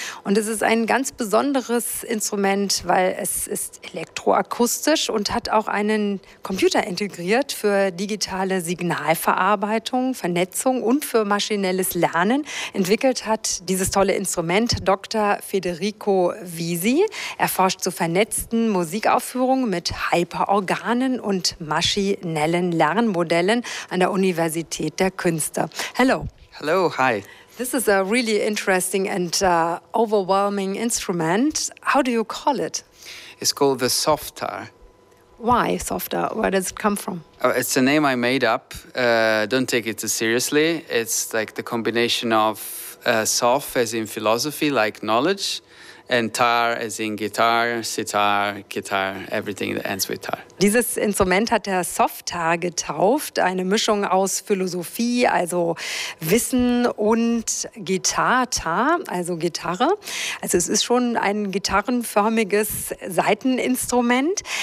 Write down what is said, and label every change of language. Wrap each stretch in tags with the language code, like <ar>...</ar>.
<de>Und es ist ein ganz besonderes Instrument, weil es ist elektroakustisch und hat auch einen Computer integriert für digitale Signalverarbeitung, Vernetzung und für maschinelles Lernen. Entwickelt hat dieses tolle Instrument Dr. Federico Visi. Er forscht zu vernetzten Musikaufführungen mit Hyperorganen und maschinellen Lernmodellen an der Universität der Künste.</de> <en>Hello. Hello, hi. This is a really interesting and overwhelming instrument. How do you call it? It's called the Softar. Why Softar? Where does it come from? Oh, it's a name I made up. Don't take it too seriously. It's like the combination of soft as in philosophy, like knowledge, and tar as in guitar, sitar, guitar, everything that ends with tar.</en> <de>Dieses Instrument hat der Softar getauft, eine Mischung aus Philosophie, also Wissen, und Gitar, also Gitarre. Also es ist schon ein gitarrenförmiges Saiteninstrument.</de>